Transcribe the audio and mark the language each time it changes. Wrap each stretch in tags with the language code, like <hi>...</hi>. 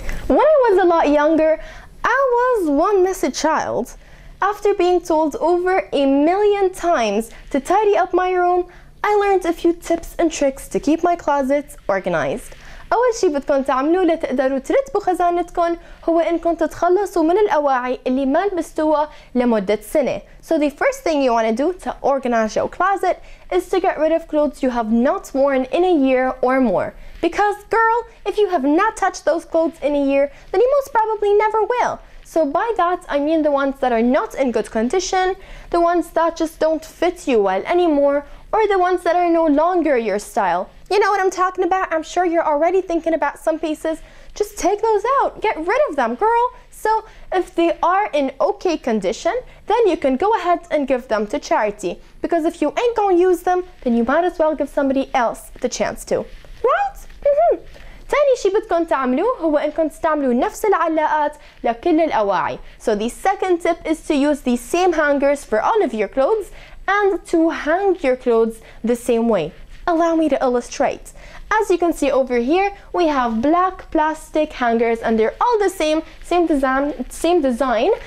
<en>When I was a lot younger, I was one messy child. After being told over a million times to tidy up my room, I learned a few tips and tricks to keep my closets organized.</en> <ar>أول شيء بدكم تعملوه لتقدروا ترتبوا خزانتكم هو إنكم تتخلصوا من الأواعي اللي ما لبستوها لمدة سنة.</ar> <en>So the first thing you want to do to organize your closet is to get rid of clothes you have not worn in a year or more. Because girl, if you have not touched those clothes in a year, then you most probably never will. So by that, I mean the ones that are not in good condition, the ones that just don't fit you well anymore, or the ones that are no longer your style. You know what I'm talking about? I'm sure you're already thinking about some pieces. Just take those out. Get rid of them, girl. So if they are in okay condition, then you can go ahead and give them to charity. Because if you ain't gonna use them, then you might as well give somebody else the chance to. Right? Mm-hmm.</en> <ar>تاني شي بدكم تعملوه هو انكم تستعملوا نفس العلاقات لكل الأواعي.</ar> <en>So the second tip is to use the same hangers for all of your clothes and to hang your clothes the same way. Allow me to illustrate. As you can see over here, we have black plastic hangers and they're all the same design.</en>